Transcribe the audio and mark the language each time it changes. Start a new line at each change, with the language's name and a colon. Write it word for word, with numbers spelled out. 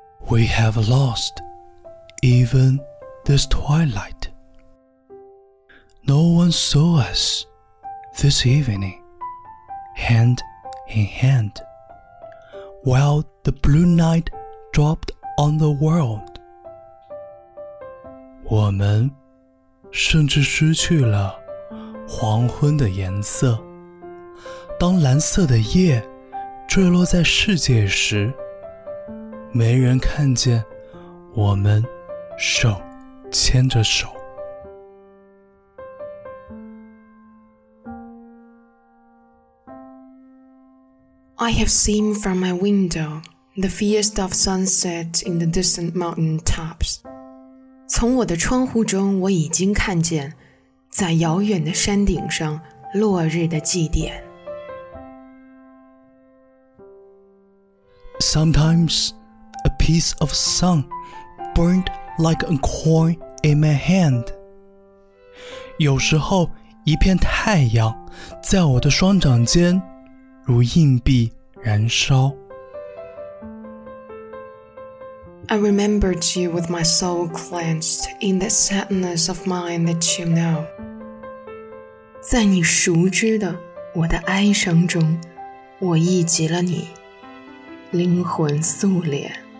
English: We have lost even this twilight. No one saw us this evening, hand in hand, while the blue night dropped on the world.
Chinese: 我们甚至失去了黄昏的颜色。当蓝色的夜坠落在世界时，没人看见我们手牵着手。
English: I have seen from my window the fierce of sunset in the distant mountain tops.
Chinese: 从我的窗户中，我已经看见，在遥远的山顶上落日的祭奠。
English: Sometimes. A piece of sun burned like a coin in my hand.
Chinese: 有时候一片太阳在我的双掌间如硬币燃烧。
English: I remembered you with my soul cleansed in that sadness of mine that you know.
Chinese: 在你熟知的我的哀伤中，我忆及了你，灵魂素敛。